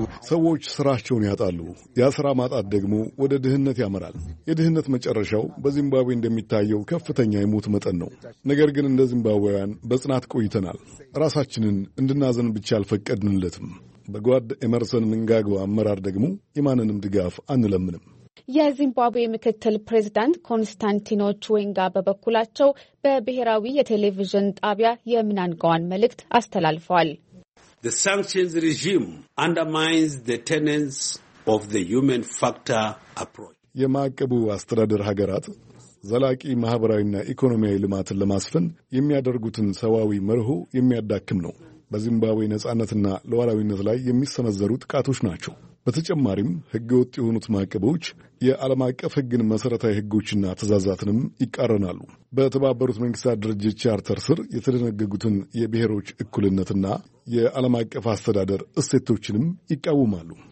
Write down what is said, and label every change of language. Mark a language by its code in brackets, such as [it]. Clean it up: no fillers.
[am] ሰዎች ስራቸውን ያጣሉ። ያ ስራ ማጣት ደግሞ ወደ ድህነት ያመራል። የድህነት መጨረሻው በዚምባብዌ እንደሚታየው ከፍተኛ የሞት መጠን ነው። ነገር ግን እንደ ዚምባብዌውያን በጽናት ቆይተናል። ራሳችንን እንድናዘን ብቻ አልፈቀድንለትም። በጓድ ኤመርሰን ምንጋግባ አመራር ደግሞ የማንንም ድጋፍ አንለምንም። የዚምባብዌ ምክትል ፕሬዚዳንት ኮንስታንቲኖ ቹዌንጋ በበኩላቸው በብሔራዊ የቴሌቪዥን ጣቢያ የምናንጋዋን መልእክት አስተላልፈዋል። [en] The sanctions regime undermines the tenets of the human factor approach. [am] የማዕቀቡ አስተዳደር ሀገራት ዘላቂ ማህበራዊና ኢኮኖሚያዊ ልማትን ለማስፈን የሚያደርጉትን ሰዋዊ መርሆ የሚያዳክም ነው። በዚምባብዌ ነጻነትና ሉዓላዊነት ላይ የሚሰነዘሩ ጥቃቶች ናቸው። በተጨማሪም ህገወጥ የሆኑት ማዕቀቦች የዓለም አቀፍ ህግን መሠረታዊ ህጎችና ትእዛዛትንም ይቃረናሉ። በተባበሩት መንግስታት ድርጅት ቻርተር ስር የተደነገጉትን የብሔሮች እኩልነትና የዓለም አቀፍ አስተዳደር እሴቶችንም ይቃወማሉ።